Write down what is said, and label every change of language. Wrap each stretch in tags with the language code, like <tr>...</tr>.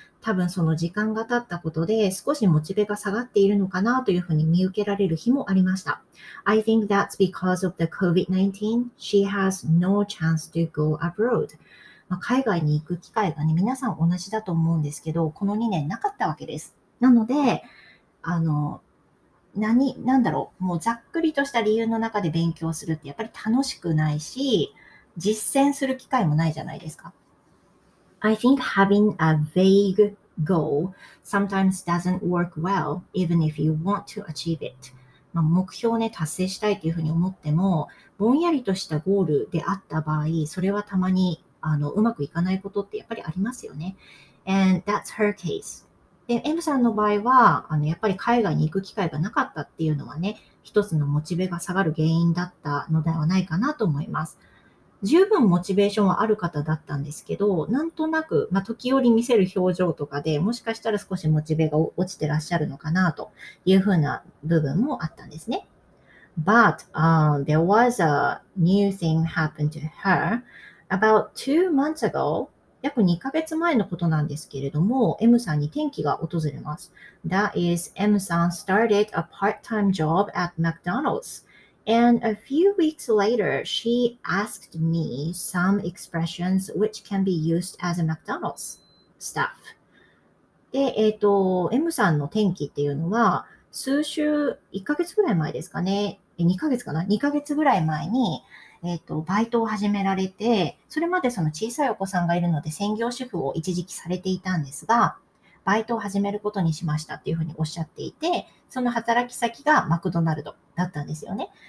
<ja>多分その時間が経ったことで少しモチベが下がっているのかなというふうに見受けられる日もありました。</ja> <en>I think that's because of the COVID-19. She has no chance to go abroad.</en> <ja>海外に行く機会がね、皆さん同じだと思うんですけど、この2年なかったわけです。なので、なんだろう、もうざっくりとした理由の中で勉強するってやっぱり楽しくないし、実践する機会もないじゃないですか。</ja> <en>I think having a vague goal sometimes doesn't work well, even if you want to achieve it.</en> <ja>目標を、ね、達成したいというふうに思っても、ぼんやりとしたゴールであった場合、それはたまにうまくいかないことってやっぱりありますよね。</ja> <en>And that's her case.</en> <ja>で、M さんの場合は、やっぱり海外に行く機会がなかったっていうのはね、一つのモチベが下がる原因だったのではないかなと思います。十分モチベーションはある方だったんですけど、なんとなく、時折見せる表情とかでもしかしたら少しモチベが落ちてらっしゃるのかなというふうな部分もあったんですね。</ja> <en>But, there was a new thing happened to her about 2 months ago.</en> <ja>約2ヶ月前のことなんですけれども、M さんに転機が訪れます。</ja> <en>That is, M さん started a part-time job at McDonald's. And a few weeks later, she asked me some expressions which can be used as a McDonald's staff.</en> <ja>で、M さんの転機っていうのは、数週、1ヶ月ぐらい前ですかね。 2ヶ月かな ?2 ヶ月ぐらい前に、バイトを始められて、それまでその小さいお子さんがいるので専業主婦を一時期されていたんですが、バイトを始めることにしましたっていうふうにおっしゃっていて、その働き先がマクドナルドだったんですよね。</ja>